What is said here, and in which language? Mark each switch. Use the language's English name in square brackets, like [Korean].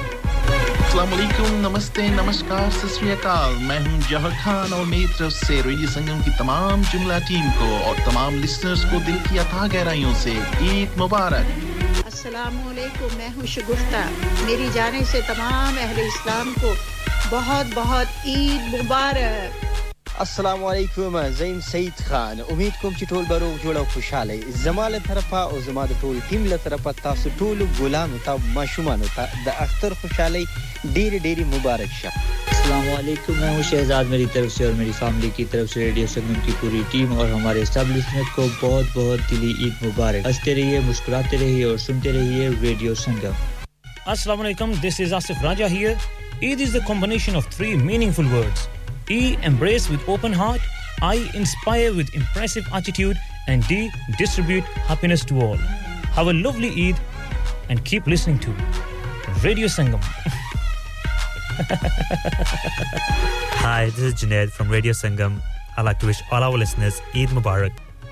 [Urdu] السلام علیکم نمستے نمسکار ست سری اکال میں ہوں جوہر خان اور میری طرف سے ریڈیو سنگم کی تمام جملہ ٹیم کو اور تمام لسنرز کو دل کی عطا گہرائیوں سے عید مبارک السلام علیکم میں ہوں شگفتہ میری جانے سے تمام اہل اسلام کو بہت بہت عید مبارک [Pashto] السلام علیکم زین سعید خان امید کوم چې ټول برو جوړ او خوشاله زماله طرفه او زماده ټول ټیم له طرفه تاسو ټول غلام تا ماشومان تا د اختر خوشاله ډیر ډیر مبارک شه [Urdu] السلام علیکم میں ہوں شہزاد میری طرف سے اور میری فیملی کی طرف سے ریڈیو سنگم کی پوری ٹیم اور ہمارے سب لسنرز کو بہت بہت دلی عید مبارک ہنستے رہیے مسکراتے رہیے اور سنتے رہیے ریڈیو سنگم [English] السلام علیکم this is Asif Raja here Eid is the combination of three meaningful words E, embrace with open heart. I, inspire with impressive attitude. And D, distribute happiness to all. Have a lovely Eid and keep listening to Radio Sangam. Hi, this is Junaid from Radio Sangam. I'd like to wish all our listeners Eid Mubarak.